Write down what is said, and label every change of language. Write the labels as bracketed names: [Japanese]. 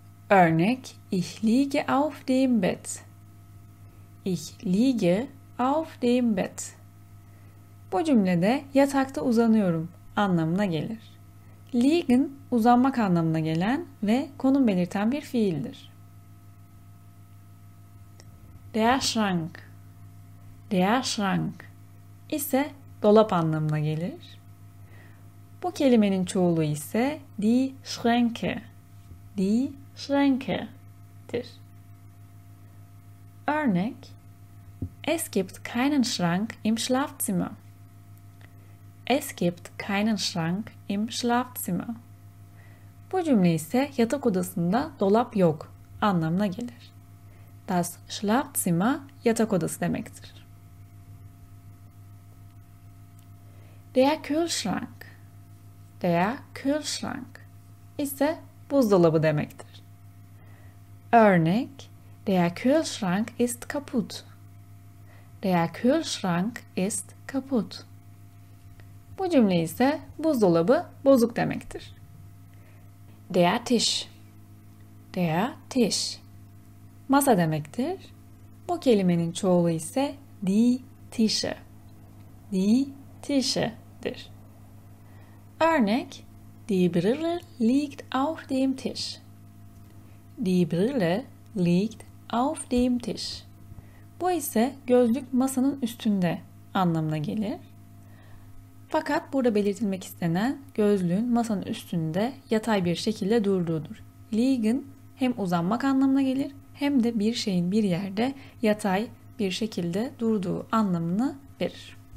[German] Örnek: Ich liege auf dem Bett. Ich liege auf dem Bett. [Turkish] Bu cümlede yatakta uzanıyorum anlamına gelir. Liegen uzanmak anlamına gelen ve konum belirten bir fiildir. Der Schrank. Der Schrank ise dolap anlamına gelir. Bu kelimenin çoğulu ise die Schränke. Die Schränke'dir. [German] Örnek: Es gibt keinen Schrank im Schlafzimmer. Es gibt keinen Schrank im Schlafzimmer. [Turkish] Bu cümle ise yatak odasında dolap yok anlamına gelir. Das Schlafzimmer yatak odası demektir. [German] Der Kühlschrank. Der Kühlschrank [Turkish] ise buzdolabı demektir. [German] Örnek: Der Kühlschrank ist kaputt. Der Kühlschrank ist kaputt. [Turkish] Bu cümle ise buzdolabı bozuk demektir. [German] Der Tisch. Der Tisch. [Turkish] Masa demektir. Bu kelimenin çoğulu ise die Tische. Die Tische'dir. [German] Örnek: Die Brille liegt auf dem Tisch. Die Brille liegt auf dem Tisch. [Turkish] Bu ise gözlük masanın üstünde anlamına gelir. Fakat burada belirtilmek istenen gözlüğün masanın üstünde yatay bir şekilde durduğudur. Liegen hem uzanmak anlamına gelir hem de bir şeyin bir yerde yatay bir şekilde durduğu anlamını verir.